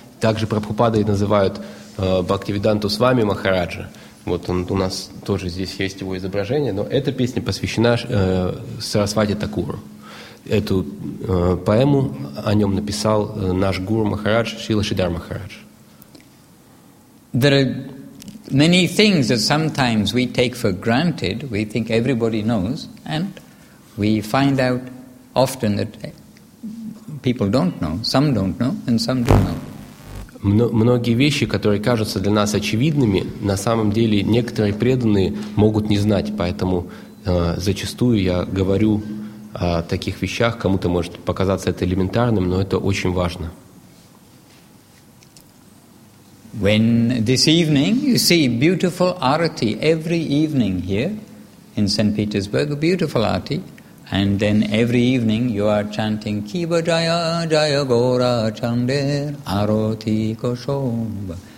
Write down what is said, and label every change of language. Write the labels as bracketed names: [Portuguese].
[Russian] Также Прабхупада и называют Бхактивиданту Свами Махараджа. Вот он, у нас тоже здесь есть его изображение, но эта песня посвящена Сарасвати Такуру. Эту поэму о нем написал наш гуру Махарадж Шрила Шридхар Махарадж. [English] There are many things that sometimes we take for granted, we think everybody knows, and we find out often that people don't know, some don't know, and some do know. [Russian] Многие вещи, которые кажутся для нас очевидными, на самом деле некоторые преданные могут не знать, поэтому зачастую я говорю о таких вещах, кому-то может показаться это элементарным, но это очень важно. [English] When this evening you see beautiful arati every evening here in St. Petersburg, a beautiful arati, and then every evening you are chanting Kiva Jaya Jaya Gora Chander Arati Koshomba.